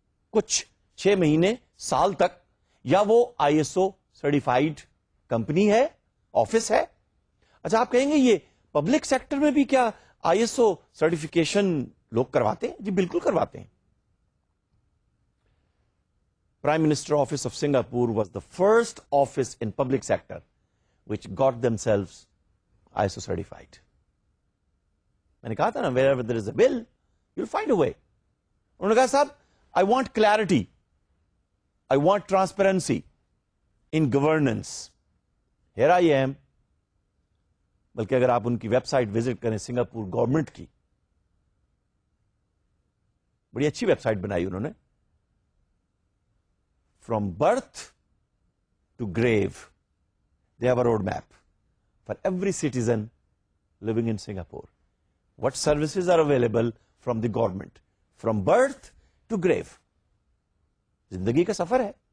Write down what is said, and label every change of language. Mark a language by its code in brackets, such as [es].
[ur] کچھ چھ مہینے سال تک, یا وہ I S O certified company ہے, آفس ہے. اچھا آپ کہیں گے یہ پبلک سیکٹر میں بھی کیا آئی ایس او سرٹیفیکیشن لوگ کرواتے ہیں؟ جی بالکل کرواتے ہیں. [en] Prime minister office of Singapore was the first office in public sector which got themselves I S O certified. [ur] میں نے کہا تھا نا, [en] Wherever there is a will you will find a way. [ur] انہوں نے کہا صاحب [en] I want clarity, I want transparency in governance, here I am. [ur] بلکہ اگر آپ ان کی ویب سائٹ وزٹ کریں سنگاپور گورنمنٹ کی, بڑی اچھی ویب سائٹ بنائی انہوں نے, [en] From birth to grave they have a road map for every citizen living in Singapore, what services are available from the government from birth to grave. [ur] زندگی کا سفر ہے.